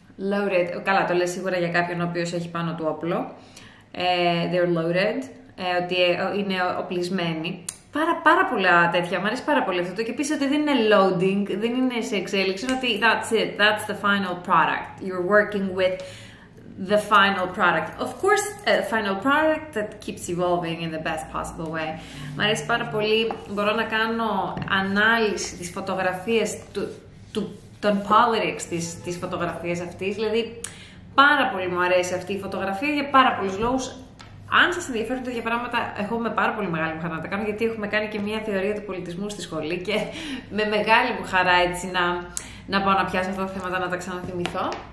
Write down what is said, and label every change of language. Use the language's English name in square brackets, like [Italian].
[English] Loaded. [Greek] Καλά, το λέει σίγουρα για κάποιον ο οποίος έχει πάνω του όπλο. [English] They're loaded. [Greek] Ότι είναι οπλισμένοι. Πάρα πολλά τέτοια, μου αρέσει πάρα πολύ αυτό. Και επίσης ότι δεν είναι loading, δεν είναι σε εξέλιξη, είναι ότι [English] that's it, that's the final product. You're working with the final product. Of course, a final product that keeps evolving in the best possible way. [Greek] Μου αρέσει πάρα πολύ, μπορώ να κάνω ανάλυση της φωτογραφίας, των politics της φωτογραφίας αυτής. Δηλαδή, πάρα πολύ μου αρέσει αυτή η φωτογραφία για πάρα πολλούς λόγους. Αν σας ενδιαφέρουν τέτοια πράγματα, εγώ είμαι πάρα πολύ μεγάλη μου χαρά να τα κάνω, γιατί έχουμε κάνει και μια θεωρία του πολιτισμού στη σχολή και με μεγάλη μου χαρά έτσι να πάω να πιάσω αυτά τα θέματα, να τα ξαναθυμηθώ.